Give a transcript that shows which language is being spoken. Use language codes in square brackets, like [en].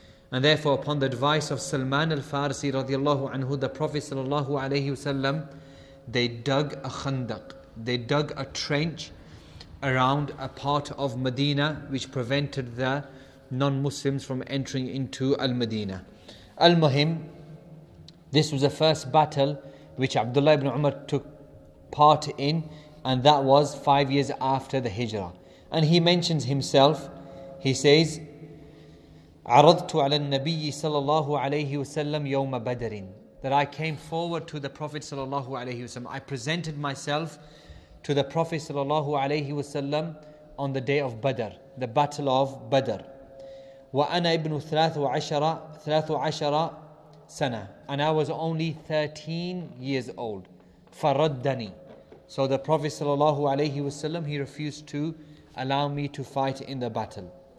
[en] And therefore, upon the advice of Salman al-Farsi radiallahu anhu, the Prophet sallallahu alayhi wasallam, they dug a khandaq, they dug a trench around a part of Medina which prevented the non-Muslims from entering into Al-Medina. Al-Muhim, this was the first battle which Abdullah ibn Umar took part in, and that was 5 years after the Hijrah. And he mentions himself. He says, [ar] عَرَضْتُ عَلَى النَّبِيِّ صَلَى اللَّهُ عَلَيْهِ وَسَلَّمْ يَوْمَ بَدَرٍ, [en] that I came forward to the Prophet صلى الله عليه وسلم. I presented myself to the Prophet صلى الله عليه وسلم on the day of Badr, the battle of Badr. [ar] وَأَنَا إِبْنُ ثَلَاثُ عَشَرَ سَنَةً, [en] and I was only 13 years old. [ar] فَرَدَّنِي, [en] so the Prophet صلى الله عليه وسلم, he refused to allow me to fight in the battle.